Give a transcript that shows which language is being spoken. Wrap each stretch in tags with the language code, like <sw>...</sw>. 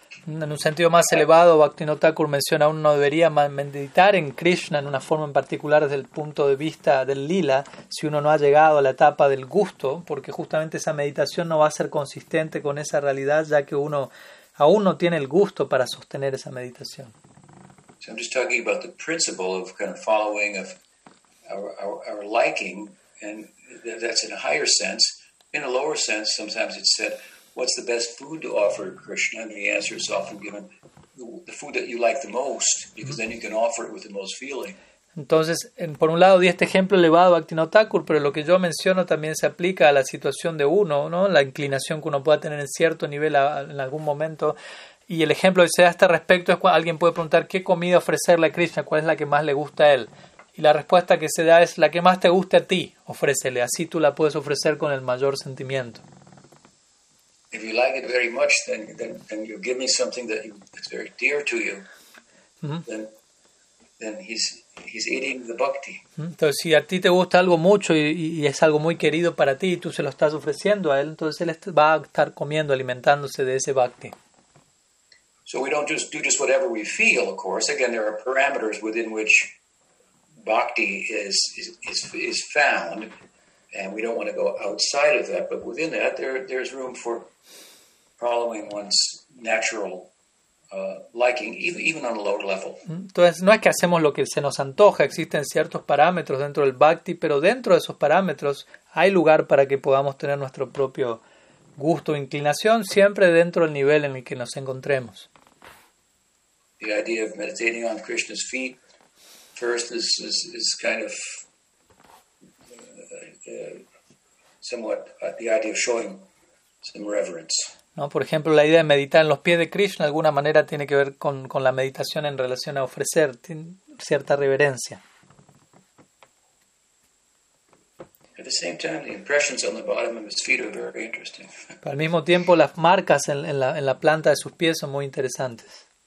<es>En un sentido más elevado, Bhaktivinoda Thakur menciona, uno no debería meditar en Krishna en una forma en particular desde el punto de vista del lila si uno no ha llegado a la etapa del gusto, porque justamente esa meditación no va a ser consistente con esa realidad, ya que uno aún no tiene el gusto para sostener esa meditación.</es> <en>So I'm just talking about the principle of kind of following of our liking, and that's in a higher sense. In a lower sense, sometimes it's said, what's the best food to offer Krishna? And the answer is often given, the food that you like the most, because then you can offer it with the most feeling.</en> <es>Entonces, por un lado di este ejemplo elevado a Bhaktivinoda Thakur, pero lo que yo menciono también se aplica a la situación de uno, ¿no? La inclinación que uno pueda tener en cierto nivel en algún momento. Y el ejemplo que se da a este respecto es cuando alguien puede preguntar, ¿qué comida ofrecerle a Krishna? ¿Cuál es la que más le gusta a él? Y la respuesta que se da es, la que más te guste a ti, ofrécele. Así tú la puedes ofrecer con el mayor sentimiento.</es> <en>If you like it very much, then you give me something that is very dear to you. Then he's eating the bhakti.</en> <es>Entonces, si a ti te gusta algo mucho y es algo muy querido para ti y tú se lo estás ofreciendo a él, entonces él va a estar comiendo, alimentándose de ese bhakti.</es> <en>So we don't just do just whatever we feel, of course. Again, there are parameters within which bhakti is found. And we don't want to go outside of that, but within that, there's room for following one's natural liking, even on a lower level.</en> <es>Entonces, no es que hacemos lo que se nos antoja. Existen ciertos parámetros dentro del bhakti, pero dentro de esos parámetros hay lugar para que podamos tener nuestro propio gusto o inclinación, siempre dentro del nivel en el que nos encontremos.</es> <en>The idea of meditating on Krishna's feet first is kind of somewhat the idea of showing some reverence.</en> <es>No, por ejemplo, la idea de meditar en los pies de Krishna, de alguna manera, tiene que ver con la meditación en relación a ofrecer cierta reverencia.</es> <en>At the same time, the impressions on the bottom of his feet are very interesting.</en> <es>Pero al mismo tiempo, las marcas en la planta de sus pies son muy interesantes.</es>